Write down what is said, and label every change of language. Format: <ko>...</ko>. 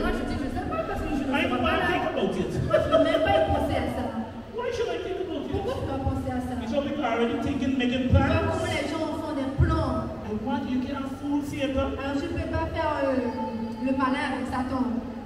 <fr>Moi je dis je sais pas parce que je ne sais pas.</fr> <en>I don't think about it.</en> <fr>Moi je ne même pas penser à ça.</fr> <en>Why should I think about it? It's all because people are already thinking, making plans.</en> <fr>Des plans.</fr> <en>And what? You can't fool Satan.</en> <fr>Alors, je peux pas faire, le malin avec Satan.</fr>